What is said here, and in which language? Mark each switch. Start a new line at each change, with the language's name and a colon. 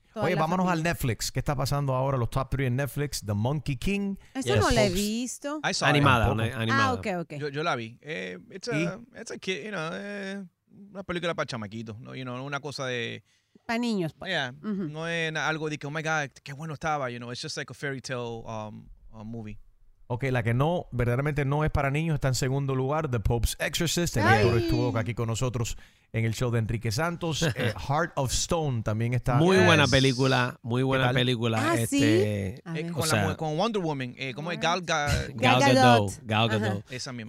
Spanish: Oye, vámonos al Netflix. ¿Qué está pasando ahora? Los top 3 en Netflix. The Monkey King. Eso no lo he visto. Animada. Ah, ok. Yo la vi.
English: It's a kid, you know,
Spanish: una película para chamaquitos, ¿no?
English: You know,
Spanish: una cosa de... Para niños. Pues. Yeah. Mm-hmm. No es algo de que,
English: oh my God,
Spanish: qué bueno estaba.
English: You know, it's just like a fairy tale movie.
Spanish: Ok, la que no, verdaderamente no es para niños, está en segundo lugar, The Pope's Exorcist. El director estuvo aquí con nosotros en el show de Enrique Santos. Heart of Stone también está. Muy buena película, muy buena película. Ah, ¿sí? Con Wonder Woman, ¿cómo es? Gal Gadot. Esa misma.